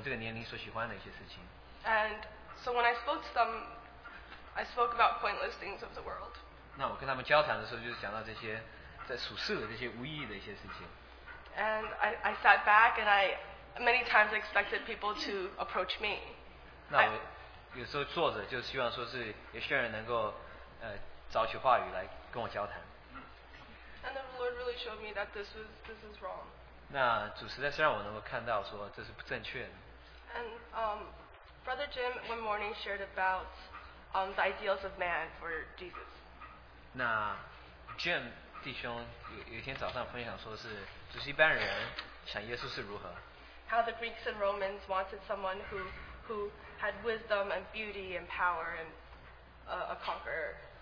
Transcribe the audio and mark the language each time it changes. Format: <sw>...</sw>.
<zh>都是属世的这些共同点，那就是我们所喜好的一些事情，我们这个年龄所喜欢的一些事情。</zh> <en>And so when I spoke to them, I spoke about pointless things of the world.</en> <zh>那我跟他们交谈的时候，就是讲到这些在属世的这些无意义的一些事情。</zh> <en>And I sat back and I many times expected people to approach me.</en> <zh>那我有时候坐着，就希望说是有些人能够找取话语来跟我交谈。</zh> <en>And the Lord really showed me that this is wrong.</en> <zh>那主实在是让我能够看到说这是不正确的。</zh> <en>And Brother Jim one morning shared about the ideals of man for Jesus.</en> <zh>那 Jim 弟兄有一天早上分享说是，就是一般人想耶稣是如何。</zh> <en>How the Greeks and Romans wanted someone who had wisdom and beauty and power and a conqueror.</en>